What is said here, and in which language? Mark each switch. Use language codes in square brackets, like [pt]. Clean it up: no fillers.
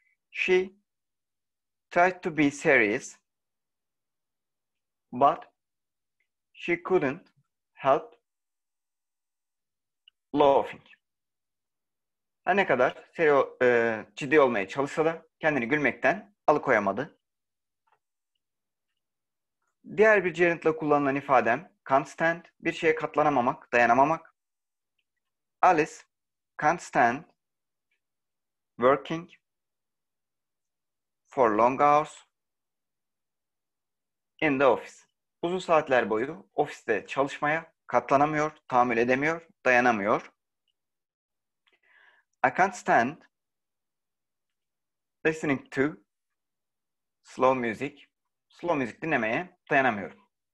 [en] She tried to be serious, but she couldn't help laughing. [tr] Her ne kadar ciddi olmaya çalışsa da kendini gülmekten alıkoyamadı. Diğer bir gerund'la kullanılan ifadem can't stand, bir şeye katlanamamak, dayanamamak. [en] Alice can't stand working for long hours in the office. [tr] Uzun saatler boyu ofiste çalışmaya katlanamıyor, tahammül edemiyor, dayanamıyor. [en] I can't stand listening to slow music. [tr] Slow müzik dinlemeye dayanamıyorum.